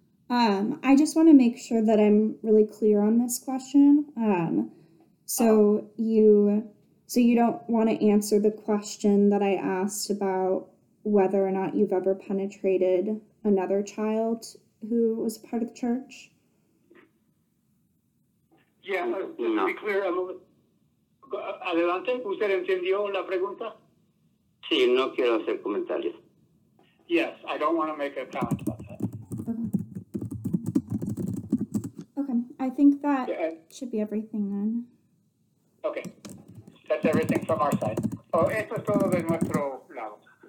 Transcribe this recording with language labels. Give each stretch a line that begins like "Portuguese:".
English: I just want to make sure that I'm really clear on this question. So you don't want to answer the question that I asked about whether or not you've ever penetrated another child who was a part of the church? Yeah, just to be clear,
Spanish: adelante, ¿usted entendió la pregunta? Sí, no quiero hacer comentarios.
English: Yes, I don't want to make a comment about that. Okay, I think that should be everything then. Okay. That's everything from our side. Oh,
Spanish: esto es todo de nuestro lado.